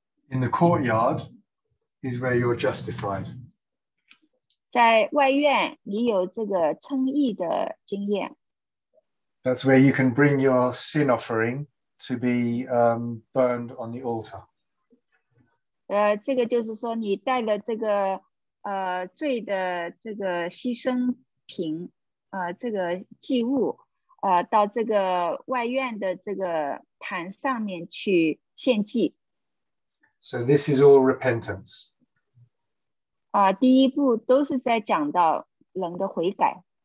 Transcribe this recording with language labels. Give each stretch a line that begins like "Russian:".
English: In the courtyard is where you're justified.
Chinese: 在外院，你有这个称义的经验。
English: That's where you can bring your sin offering to be burned on the altar.
Chinese: 这个就是说，你带了这个罪的这个牺牲品，这个祭物。到这个外院的这个坛上面去献祭。
English: So this is all repentance.
Chinese: 第一步都是在讲到人的悔改。